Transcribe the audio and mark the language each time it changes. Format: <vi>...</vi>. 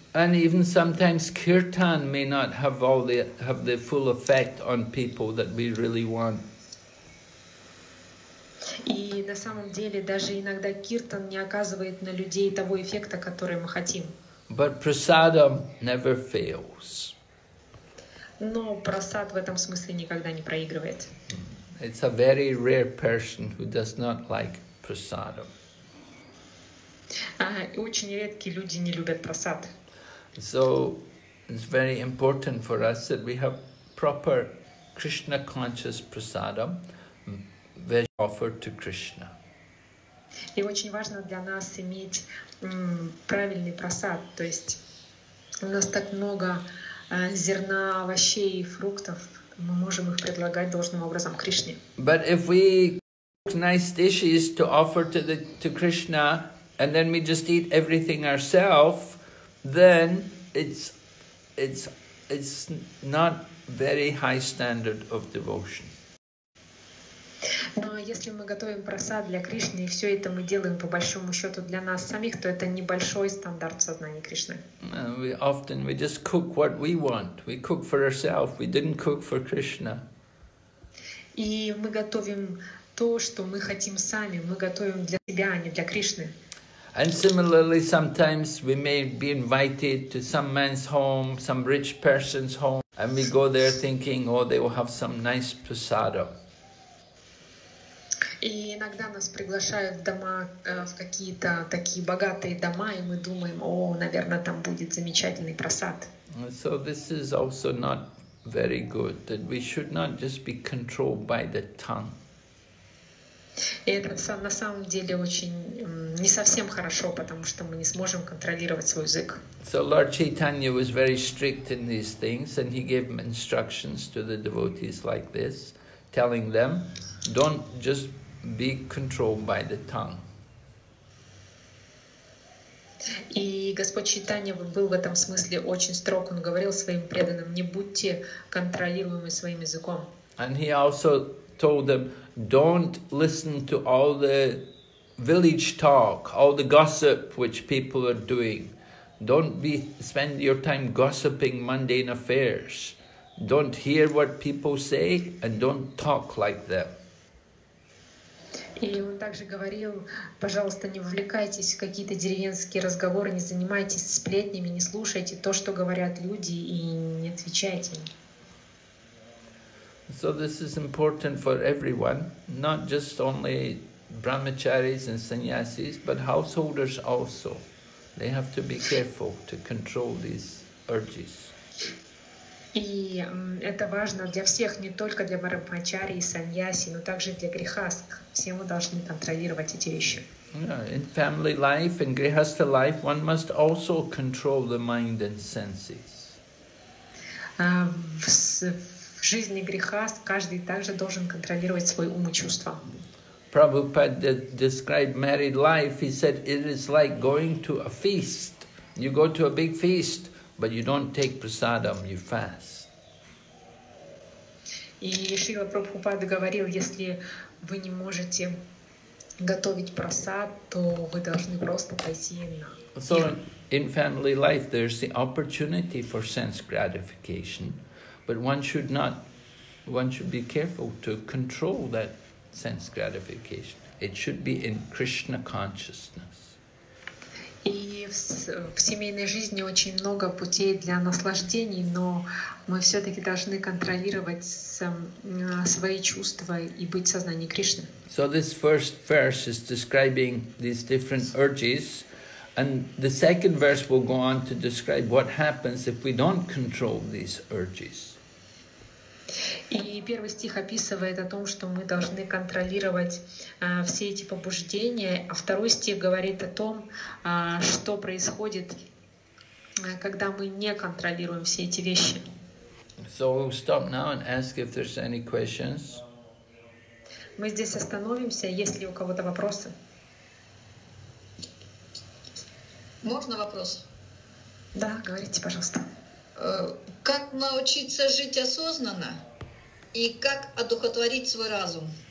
<en>And even sometimes kirtan may not have the full effect on people that we really want.</en> <ru>И на самом деле даже иногда киртан не оказывает на людей того эффекта, который мы хотим.</ru> <en>But prasadam never fails.</en> <ru>Но прасад в этом смысле никогда не проигрывает.</ru> <en>It's a very rare person who does not like prasadam.</en> <ru>Очень редкие люди не любят просад.</ru> <en>So it's very important for us that we have proper Krishna conscious prasadam which offered to Krishna.</en> <ru>И очень важно для нас иметь правильный просад, то есть у нас так много зерна, овощей и фруктов, мы можем их предлагать должным образом Кришне.</ru> <en>But if we cook nice dishes to offer to Krishna and then we just eat everything ourselves, then it's not very high standard of devotion.</en> <ru>Но если мы готовим просад для Кришны и все это мы делаем по большому счету для нас самих, то это небольшой стандарт сознания Кришны.</ru> <en>We often we just cook what we want. We cook for ourselves. We didn't cook for Krishna.</en> <ru>И мы готовим то, что мы хотим сами. Мы готовим для себя, а не для Кришны.</ru> <en>And similarly, sometimes we may be invited to some man's home, some rich person's home, and we go there thinking, oh, they will have some nice prasada.</en> <ru>И иногда нас приглашают в дома, в какие-то такие богатые дома, и мы думаем, о, наверное, там будет замечательный просад.</ru> <en>So this is also not very good, that we should not just be controlled by the tongue.</en> <ru>И это на самом деле очень не совсем хорошо, потому что мы не сможем контролировать свой язык.</ru> <en>So Lord Chaitanya was very strict in these things, and he gave instructions to the devotees like this, telling them, don't just be controlled by the tongue.</en> <ru>И Господь Чайтанья был в этом смысле очень строг. Он говорил своим преданным, не будьте контролируемы своим языком.</ru> <en>And he also told them, don't listen to all the village talk, all the gossip which people are doing. Don't be spend your time gossiping mundane affairs. Don't hear what people say and don't talk like them.</en> <ru>И он также говорил, пожалуйста, не вовлекайтесь в какие-то деревенские разговоры, не занимайтесь сплетнями, не слушайте то, что говорят люди, и не отвечайте.</ru> <en>So this is important for everyone, not just only brahmacharis and sannyasis, but householders also. They have to be careful to control these urges.</en> <ru>И это важно для всех, не только для брахмачари и саньяси, но также для грехаст. Все мы должны контролировать эти вещи.</ru> <en>Yeah, in family life, in grihastha life, one must also control the mind and senses.</en> <ru>В жизни грехаст каждый также должен контролировать свой ум и чувства.</ru> <en>Prabhupada described married life, he said, it is like going to a feast. You go to a big feast, but you don't take prasadam, you fast.</en> <ru>И Шрила Прабхупада говорил, если вы не можете готовить прасад, то вы должны просто пойти на.</ru> <en>So in family life there's the opportunity for sense gratification, but one should be careful to control that sense gratification. It should be in Krishna consciousness.</en> <ru>И в семейной жизни очень много путей для наслаждений, но мы все-таки должны контролировать свои чувства и быть в сознании Кришны.</ru> <en>So this first verse is describing these different urges, and the second verse will go on to describe what happens if we don't control these urges.</en> <ru>И первый стих описывает о том, что мы должны контролировать все эти побуждения, а второй стих говорит о том, что происходит, когда мы не контролируем все эти вещи.</ru> <en>So we'll stop now and ask if there's any questions.</en> <ru>Мы здесь остановимся, есть ли у кого-то вопросы? Можно вопрос? Да, говорите, пожалуйста. Как научиться жить осознанно? И как одухотворить свой разум?</ru>